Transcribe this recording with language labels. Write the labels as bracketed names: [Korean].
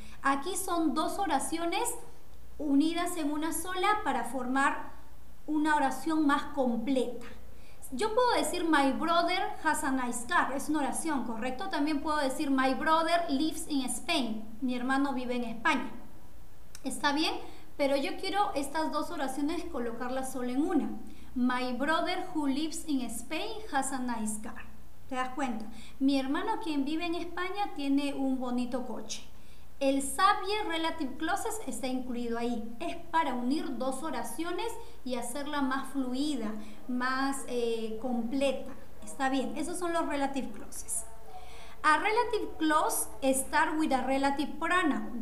[Spanish] Aquí son dos oraciones unidas en una sola para formar una oración más completa. Yo puedo decir [English] my brother has a nice car, [Spanish] es una oración, ¿correcto? También puedo decir [English] my brother lives in Spain, [Spanish] mi hermano vive en España. ¿Está bien? Pero yo quiero estas dos oraciones colocarlas solo en una. [English] My brother who lives in Spain has a nice car. [Spanish] ¿Te das cuenta? Mi hermano quien vive en España tiene un bonito coche. El Sabie Relative Clauses está incluido ahí. Es para unir dos oraciones y hacerla más fluida, más completa. Está bien, esos son los [English] Relative Clauses. A Relative Clause start with a Relative Pronoun.